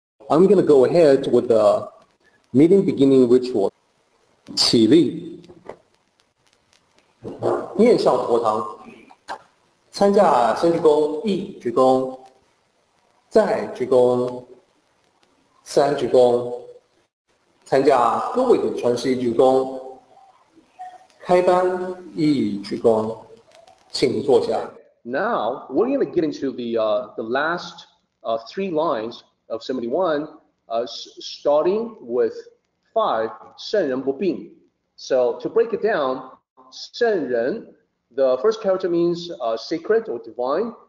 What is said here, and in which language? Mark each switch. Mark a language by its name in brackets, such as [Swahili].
[English] I'm going to go ahead with the meeting beginning ritual. [Chinese] 起立，面向佛堂，参加先鞠躬，一鞠躬，再鞠躬，三鞠躬，参加各位的传师一鞠躬，开班一鞠躬，请坐下。 [English] Now we're going to get into the last three lines of 71, starting with 5, [Chinese] 圣人不病. [English] So to break it down, 圣人, the first character means sacred or divine.